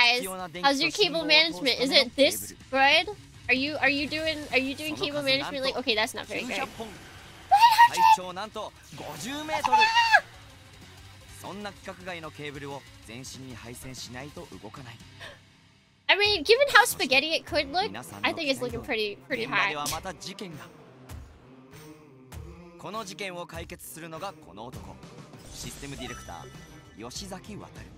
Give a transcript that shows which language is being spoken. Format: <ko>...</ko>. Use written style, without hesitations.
<ja>必要な電気と信号を通すための。</ja> <en>Alright, guys. How's your cable management? Is it this good? Are you doing cable management? Like, okay, that's not very good.</en> <ja>900! 最長なんと50メートル。そんな規格外のケーブルを全身に配線しないと動かない。</ja> <en>I mean, given how spaghetti it could look, I think it's looking pretty hot.</en> <ja>現場ではまた事件が。この事件を解決するのがこの男、システムディレクター吉崎渡る。</ja>